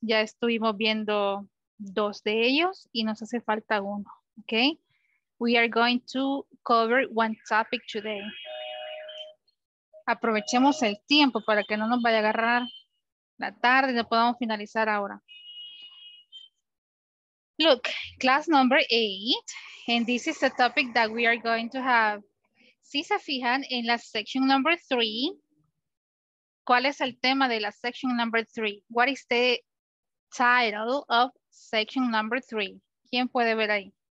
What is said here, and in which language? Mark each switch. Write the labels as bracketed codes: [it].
[es] Ya estuvimos viendo 2 de ellos y nos hace falta uno. Ok. [en] We are going to cover one topic today. [es] Aprovechemos el tiempo para que no nos vaya a agarrar la tarde y no podamos finalizar ahora. [en] Look, class number 8, and this is the topic that we are going to have. [es] Si se fijan en la [en] section number 3, [es] ¿cuál es el tema de la section number 3? [en] What is the title of section number 3? [es] ¿Quién puede ver ahí?